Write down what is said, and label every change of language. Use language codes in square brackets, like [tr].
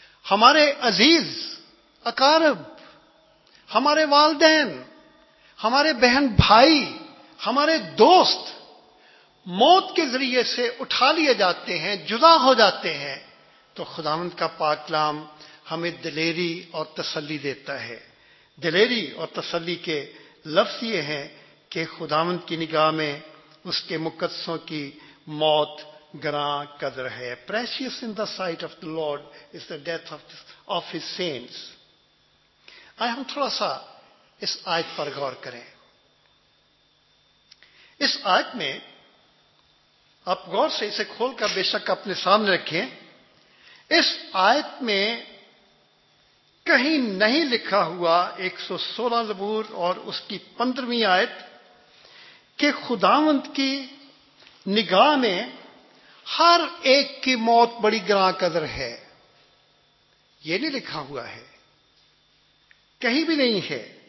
[ur] ہمارے عزیز اقارب, ہمارے والدین, ہمارے بہن بھائی, ہمارے دوست موت کے ذریعے سے اٹھا لیے جاتے ہیں, جدا ہو جاتے ہیں, تو خداوند کا پاک کلام ہمیں دلیری اور تسلی دیتا ہے. دلیری اور تسلی کے لفظ یہ ہیں کہ خداوند کی نگاہ میں اس کے مقدسوں کی موت گراں قدر ہے. [en] Precious in the sight of the Lord is the death of his saints. [ur] آئے ہم تھوڑا سا اس آیت پر غور کریں. اس آیت میں آپ غور سے اسے کھول کر بے شک اپنے سامنے رکھیں, اس آیت میں کہیں نہیں لکھا ہوا 116 زبور اور اس کی 15 آیت کہ خداوند کی نگاہ میں ہر ایک کی موت بڑی گراں قدر ہے, یہ نہیں لکھا ہوا ہے, کہیں بھی نہیں ہے.